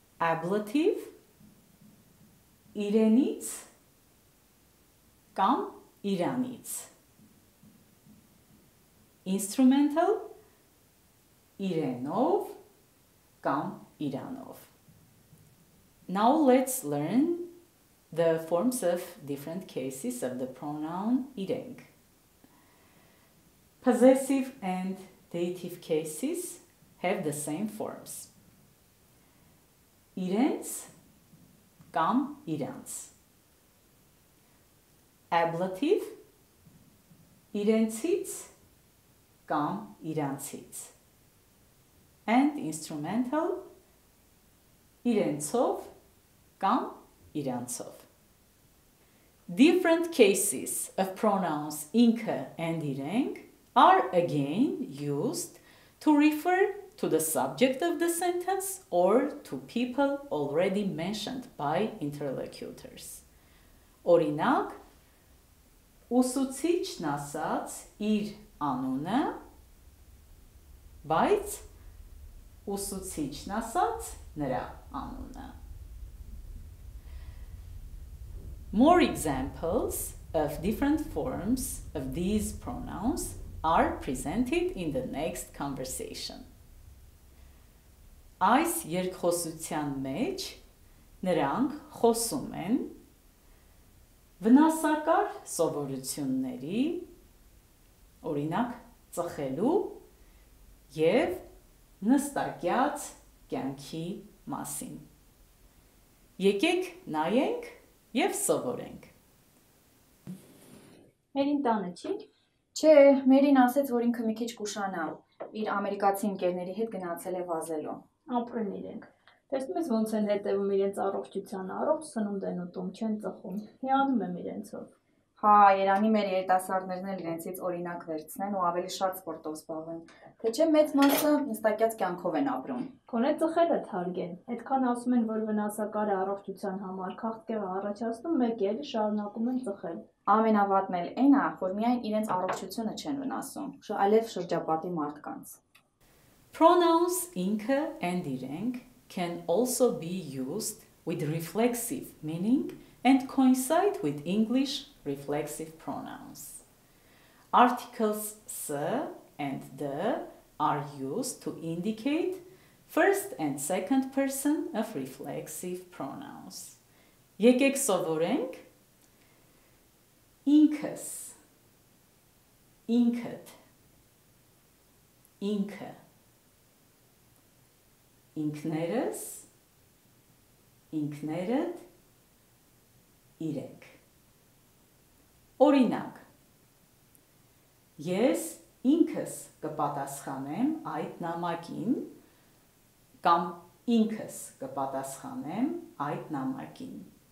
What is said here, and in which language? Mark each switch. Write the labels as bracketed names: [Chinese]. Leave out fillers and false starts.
[English] Ablative, [Armenian] իրենից կամ իրանից. [English] Instrumental, [Armenian] իրենով կամ իրանով. [English] Now let's learn the forms of different cases of the pronoun իրենք. Possessive and dative cases have the same forms. [Armenian] Իրենց կամ իրանց. [English] Ablative, [Armenian] իրենցից կամ իրանցից. [English] And instrumental, [Armenian] իրենցով կամ իրանցով. [English] Different cases of pronouns ինքը and իրենք are again used to refer to the subject of the sentence or to people already mentioned by interlocutors. [Armenian] Օրինակ, ուսուցիչն ասաց իր անունը, բայց ուսուցիչն ասաց նրա անունը. [English] More examples of different forms of these pronouns are presented in the next conversation. [Armenian] Այս երկխոսության մեջ նրանք խոսում են վնասակար սովորությունների, օրինակ ծխելու և նստակյաց կյանքի մասին. Եկեք նայենք և սովորենք։ Մերին տանը չի՞։ Չէ, Մերին ասեց, որ ինքը մի քիչ կուշանա, իր ամերիկացի ընկերների հետ գնացել է վազելու։ Ապրեն իրենք։ Տեսնում ես ոնց են հետևում իրենց առողջության, առողջ սնունդ են ուտում, չեն ծխում։ Հիանում եմ իրենցով։ Հա, Երանի մեր երիտասարդներն էլ իրենցից օրինակ վերցնեն ու ավելի շատ սպորտով զբաղվեն։ Թե չէ մեծ մասը նստակյաց կյանքով են ապրում։ Կոնե ծխելը թարգեն։ Այդքան ասում են, որ վնասակար է առողջության համար, քաղցկեղը առաջացնում, մեկ էլ շարունակում են ծխել։ Ամենավատն էլ այն է, որ միայն իրենց առողջությունը չեն վնասում, այլև շրջապատի մարդկանց։ [English] Pronouns ինքը and իրենք can also be used with reflexive meaning and coincide with English reflexive pronouns. Articles s and the are used to indicate first and second person of reflexive pronouns. [Armenian] Եկեք սովորենք ինքս, ինքդ, ինքը, ինքներս, ինքներդ, իրենք։ Օրինակ, ես ինքս կպատասխանեմ այդ նամակին կամ ինքս կպատասխանեմ այդ նամակին։